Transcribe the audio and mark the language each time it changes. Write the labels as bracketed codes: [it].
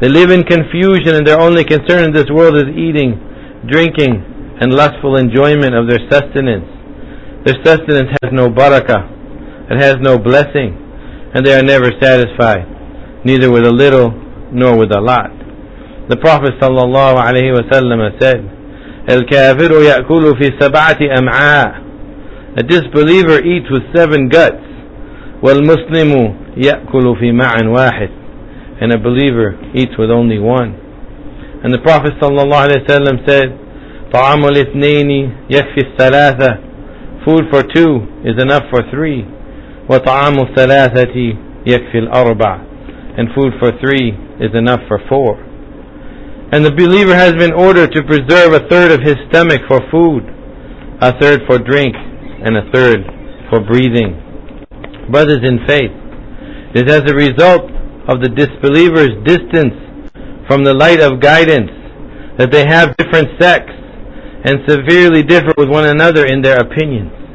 [en] They live in confusion, and their only concern in this world is eating, drinking, and lustful enjoyment of their sustenance. Their sustenance has no barakah, it has no blessing, and they are never satisfied, neither with a little nor with a lot. The Prophet sallallahu alaihi wasallam said, [ar] الكافر يأكل في سبعة أمعاء. [en] A disbeliever eats with 7 guts. [ar] والمسلم يأكل في معا واحد. [en] And a believer eats with only 1. And the Prophet [ar] صلى الله عليه وسلم [en] said, [ar] طعام الاثنين يكفي الثلاثة. [en] Food for 2 is enough for 3. [ar] وطعام الثلاثة يكفي الأربع. [en] And food for 3 is enough for 4. And the believer has been ordered to preserve a third of his stomach for food, a third for drink, and a third for breathing. Brothers in faith, it is as a result of the disbeliever's distance from the light of guidance that they have different sects and severely differ with one another in their opinions.